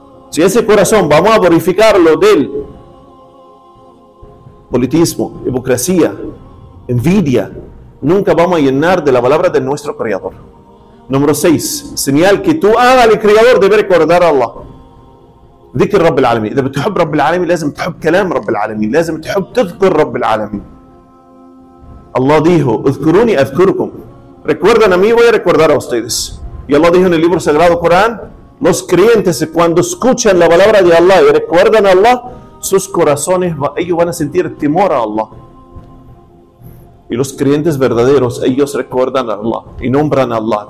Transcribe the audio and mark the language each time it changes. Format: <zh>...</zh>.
<es>Si ese corazón vamos a purificarlo del politismo, hipocresía, envidia, nunca vamos a llenar de la palabra de nuestro creador. Número 6. Señal que tú hagas al creador debe recordar a Allah.</es> <ar>ذكر رب العالمين. إذا بتحب رب العالمين لازم تحب كلام رب العالمين. لازم تحب تذكر رب العالمين. الله dijo: اذكروني أذكركم.</ar> <es>Recuerdan a mí voy a recordar a ustedes. Y Allah dijo en el libro sagrado Corán. Los creyentes cuando escuchan la palabra de Allah y recuerdan a Allah, sus corazones, ellos van a sentir temor a Allah. Y los creyentes verdaderos, ellos recuerdan a Allah y nombran a Allah.</es>